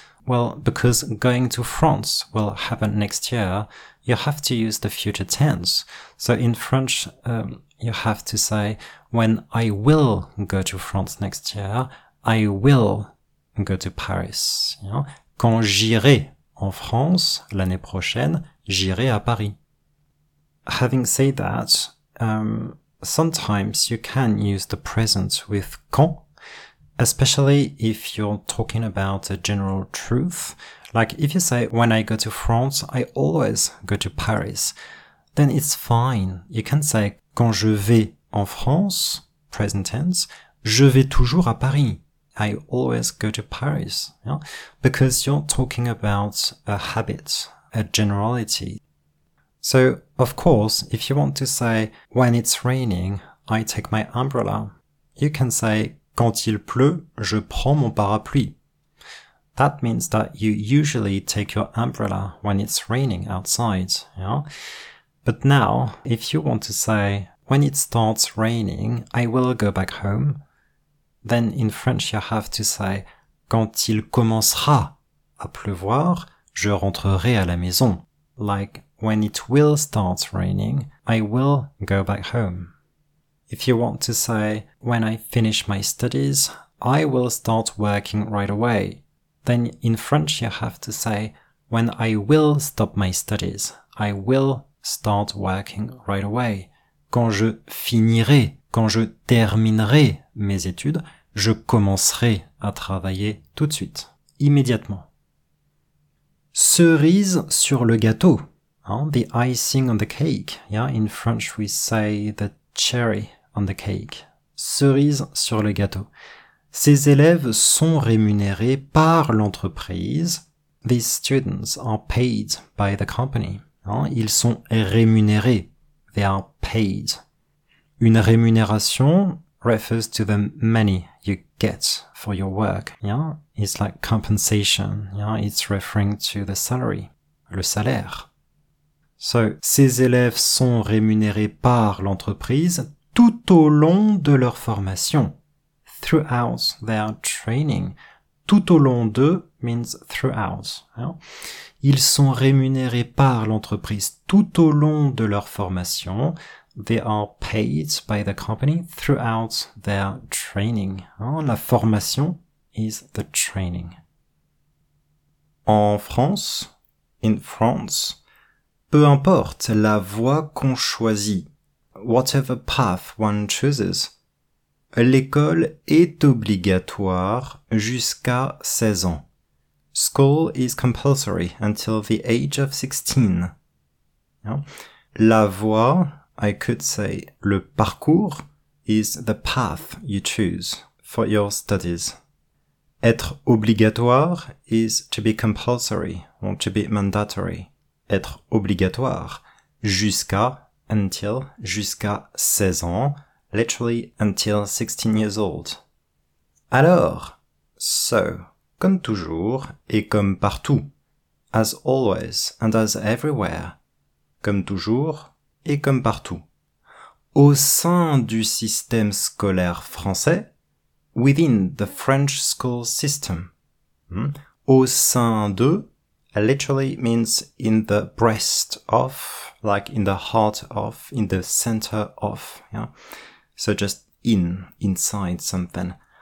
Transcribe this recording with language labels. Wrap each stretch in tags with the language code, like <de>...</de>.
<en>Well, because going to France will happen next year, you have to use the future tense. So in French, you have to say, when I will go to France next year, I will go to Paris. You know?</en> <fr>Quand j'irai en France l'année prochaine, j'irai à Paris.</fr> <en>Having said that, sometimes you can use the present with quand, especially if you're talking about a general truth. Like if you say, when I go to France, I always go to Paris, then it's fine. You can say,</en> <fr>quand je vais en France,</fr> <en>present tense,</en> <fr>je vais toujours à Paris.</fr> <en>I always go to Paris. Yeah? Because you're talking about a habit, a generality. So, of course, if you want to say, when it's raining, I take my umbrella, you can say,</en> <fr>quand il pleut, je prends mon parapluie.</fr> <en>That means that you usually take your umbrella when it's raining outside. Yeah? But now, if you want to say, when it starts raining, I will go back home, then in French, you have to say,</en> <fr>quand il commencera à pleuvoir, je rentrerai à la maison.</fr> <en>Like, when it will start raining, I will go back home. If you want to say, when I finish my studies, I will start working right away, then in French you have to say, when I will stop my studies, I will start working right away.</en> <fr>Quand je finirai, quand je terminerai mes études, je commencerai à travailler tout de suite, immédiatement. Cerise sur le gâteau.</fr> <en>The icing on the cake. Yeah, in French we say the cherry on the cake.</en> <fr>Cerise sur le gâteau. Ces élèves sont rémunérés par l'entreprise.</fr> <en>These students are paid by the company.</en> <fr>Ils sont rémunérés.</fr> <en>They are paid. Une rémunération refers to the money you get for your work. Yeah, it's like compensation. Yeah, it's referring to the salary.</en> <fr>Le salaire. So, ces élèves sont rémunérés par l'entreprise tout au long de leur formation.</fr> <en>Throughout their training. Tout au long de means throughout.</en> <fr>Ils sont rémunérés par l'entreprise tout au long de leur formation.</fr> <en>They are paid by the company throughout their training. La formation is the training.</en> <fr>En France,</fr> <en>in France,</en> <fr>peu importe la voie qu'on choisit,</fr> <en>whatever path one chooses,</en> <fr>l'école est obligatoire jusqu'à 16 ans.</fr> <en>School is compulsory until the age of 16. Yeah. La voie, I could say, le parcours, is the path you choose for your studies. Être obligatoire is to be compulsory or to be mandatory.</en> <fr>Être obligatoire, jusqu'à, until, jusqu'à 16 ans,</fr> <en>literally until 16 years old.</en> <fr>Alors, so, comme toujours et comme partout,</fr> <en>as always and as everywhere,</en> <fr>comme toujours et comme partout, au sein du système scolaire français,</fr> <en>within the French school system,</en> <fr>au sein de,</fr> <en>literally means in the breast of, like in the heart of, in the center of, yeah? So just inside something.</en>